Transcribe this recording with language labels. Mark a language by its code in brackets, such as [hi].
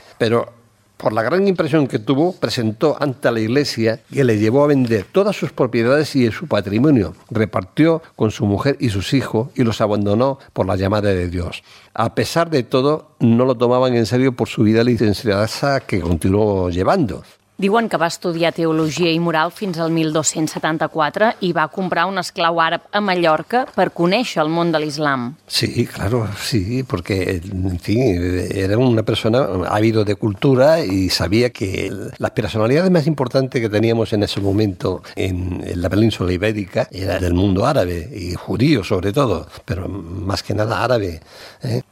[es] Pero por la gran impresión que tuvo, presentó ante la Iglesia que le llevó a vender todas sus propiedades y su patrimonio. Repartió con su mujer y sus hijos y los abandonó por la llamada de Dios. A pesar de todo, no lo tomaban en serio por su vida licenciada que continuó llevando. [ca] Diuen que va estudiar teologia i moral fins al 1274 i va comprar un esclau àrab a Mallorca per conèixer el món de l'islam. [es] Sí, claro, sí, porque, en fin, era una persona ávido de cultura y sabía que las personalidades más importantes que teníamos en ese momento en la península ibérica era del mundo árabe y judío, sobre todo, pero más que nada árabe, ¿eh?